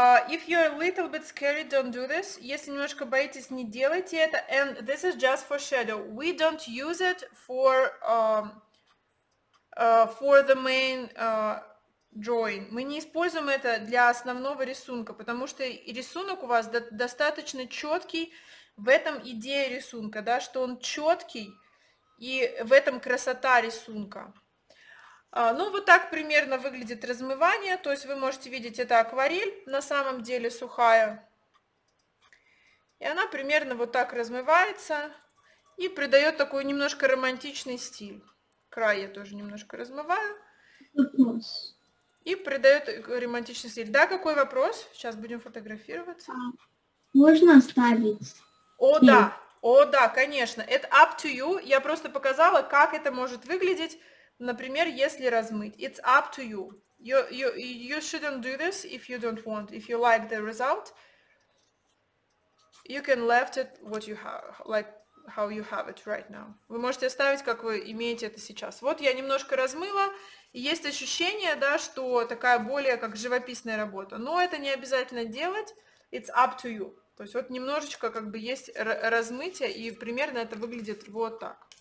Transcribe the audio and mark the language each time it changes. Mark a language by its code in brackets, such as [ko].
[en] If you're a little bit scared, don't do this. [ru] Если немножко боитесь, не делайте это. [en] And this is just for shadow. We don't use it for the main drawing. [ru] Мы не используем это для основного рисунка, потому что рисунок у вас достаточно четкий. В этом идея рисунка, да, что он четкий, и в этом красота рисунка. Ну, вот так примерно выглядит размывание, то есть вы можете видеть, это акварель, на самом деле сухая, и она примерно вот так размывается, и придает такой немножко романтичный стиль. Край я тоже немножко размываю, и придает романтичный стиль. Да, какой вопрос? Сейчас будем фотографироваться. Можно оставить? О, да, о, да, конечно, [en] it's up to you, [ru] я просто показала, как это может выглядеть. Например, если размыть. [en] It's up to you. You shouldn't do this if you don't want. If you like the result, you can left it what you have, like how you have it right now. [ru] Вы можете оставить, как вы имеете это сейчас. Вот я немножко размыла. Есть ощущение, да, что такая более как живописная работа. Но это не обязательно делать. [en] It's up to you. [ru] То есть вот немножечко как бы есть размытие, и примерно это выглядит вот так.